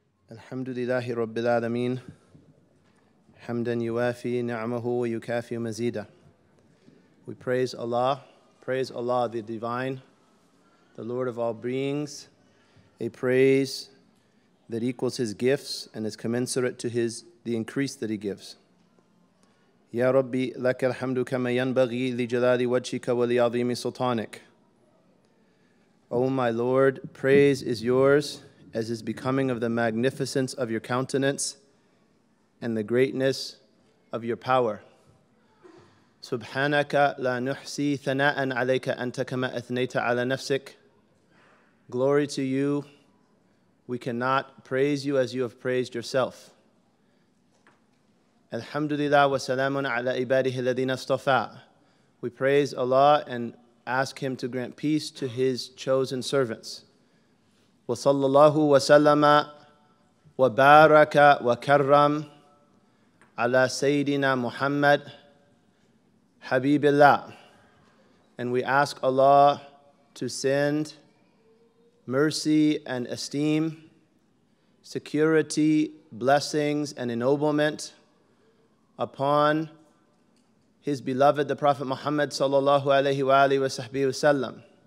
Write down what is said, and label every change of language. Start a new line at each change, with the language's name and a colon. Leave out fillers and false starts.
Arabic: الحمد لله رب العالمين حمدا يوافي نعمه ويكافي مزيدا.
English: We praise Allah the divine, the Lord of all beings, a praise that equals his gifts and is commensurate to his the increase that he gives.
Arabic: يا ربي لك الحمد كما ينبغي لجلال وجهك ولعظيم سلطانك.
English: O my Lord, praise is yours as is becoming of the magnificence of your countenance and the greatness of your power.
Arabic: سبحانك لا نحصي ثناء عليك أنت كما أثنيت على نفسك.
English: Glory to you. We cannot praise you as you have praised yourself.
Arabic: الحمد لله وسلام على عباده الذين اصطفى.
English: We praise Allah and ask him to grant peace to his chosen servants.
Arabic: وصلى الله وسلم وبارك وكرم على سيدنا محمد حبيب الله.
English: And we ask Allah to send mercy and esteem, security, blessings, and ennoblement upon his beloved, the Prophet Muhammad sallallahu alayhi wa alihi wa sallam,